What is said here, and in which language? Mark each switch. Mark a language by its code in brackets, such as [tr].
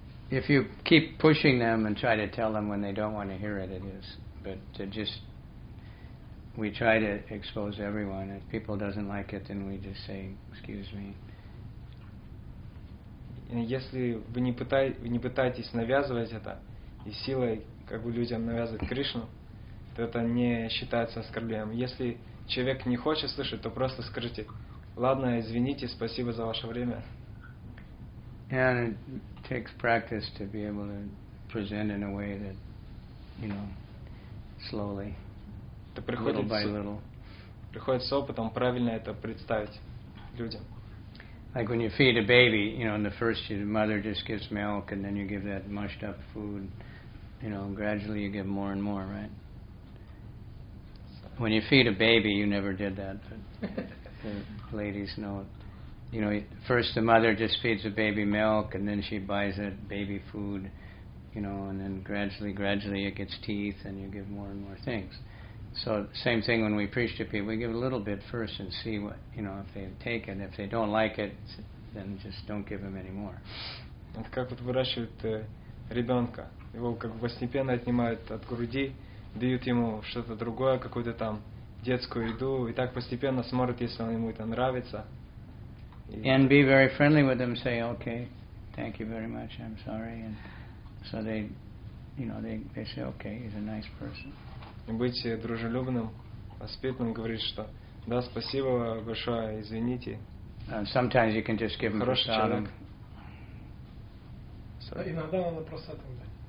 [en] If you keep pushing them and try to tell them when they don't want to hear it, it is. But to just, we try to expose everyone. If people doesn't like it, then we just say, excuse me. [ru] Если вы не пытаетесь навязывать это, и силой как бы людям навязывать Кришну, то это не считается оскорблением. Если человек не хочет слышать, то просто скажите, ладно, извините, спасибо за ваше время. [en] And it takes practice to be able to present in a way that, you know, slowly, little by little. [ru] Приходится опытом правильно это представить людям. [en] Like when you feed a baby, you know, in the first year, the mother just gives milk, and then you give that mushed up food, you know, gradually you give more and more, right? When you feed a baby, you never did that, but the ladies know it. You know, first the mother just feeds the baby milk, and then she buys it baby food, you know, and then gradually it gets teeth, and you give more and more things. So same thing when we preach to people, we give a little bit first and see what, you know, if they take it. If they don't like it, then just don't give them any more. [ru] Это как вот выращивают ребенка, его как постепенно отнимают от груди, дают ему что-то другое, какую-то там детскую еду, и так постепенно смотрят, если ему это нравится. [en] And be very friendly with them. Say, okay, thank you very much. I'm sorry. And so they, you know, they say, okay, he's a nice person. [ru] И быть дружелюбным, воспитанным, говорить, что да, спасибо большое, извините. [en] And sometimes you can just give them [ru] хороший человек. Иногда надо просад им дать.